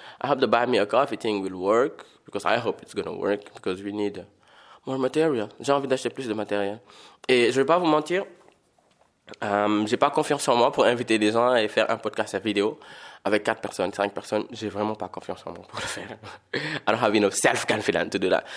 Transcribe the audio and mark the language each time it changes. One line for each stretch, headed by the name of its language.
English: I hope the buy me a coffee thing will work because I hope it's going to work because we need more material.
French: J'ai envie d'acheter plus de matériel. Et je vais pas vous mentir, j'ai pas confiance en moi pour inviter des gens et faire un podcast à vidéo. Avec 4 personnes, 5 personnes, j'ai vraiment pas confiance en moi pour le faire.
English: I don't have enough self-confidence to do that.